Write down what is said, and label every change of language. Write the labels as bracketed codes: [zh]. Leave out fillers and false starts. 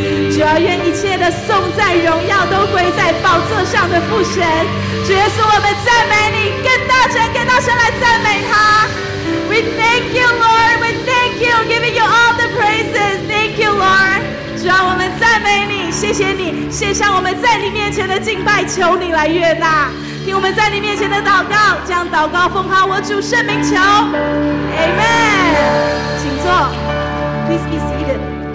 [zh] 主啊，愿一切的颂赞荣耀都归在宝座上的父神。主耶稣，我们赞美你，更大声，更大声来赞美他。 [en] We thank you, Lord. We thank you, giving you all the praises. Thank you, Lord. [zh] 主啊，我们赞美你，谢谢你，献上我们在你面前的敬拜，求你来悦纳。听我们在你面前的祷告，将祷告奉靠我主圣名求， Amen。 请坐， [en] Please be seated。